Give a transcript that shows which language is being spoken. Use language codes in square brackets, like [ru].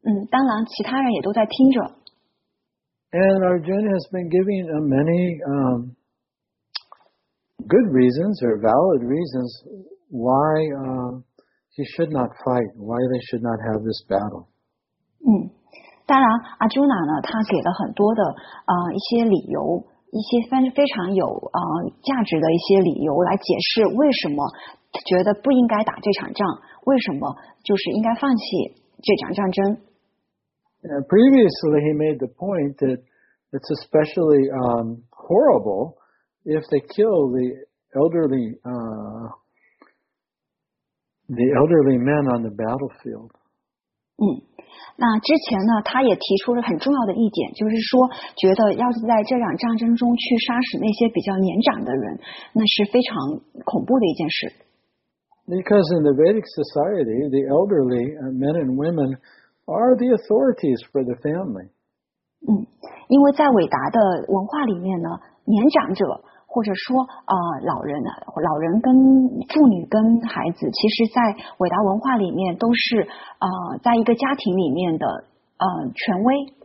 [zh] 当然其他人也都在听着。 [en] And Arjuna has been giving many good reasons or valid reasons why he should not fight, why they should not have this battle. [zh] 当然 Arjuna 呢，他给了很多的一些理由，一些非常有价值的一些理由来解释为什么觉得不应该打这场仗，为什么就是应该放弃这场战争。 [en] Previously, he made the point that It's especially horrible if they kill the elderly men on the battlefield. [zh] 那之前呢，他也提出了很重要的一点，就是说，觉得要是在这场战争中去杀死那些比较年长的人，那是非常恐怖的一件事。 [en] Because in the Vedic society, the elderly men and women are the authorities for the family. [zh] 因为在伟达的文化里面呢，年长者或者说老人跟妇女跟孩子，其实在伟达文化里面都是在一个家庭里面的权威。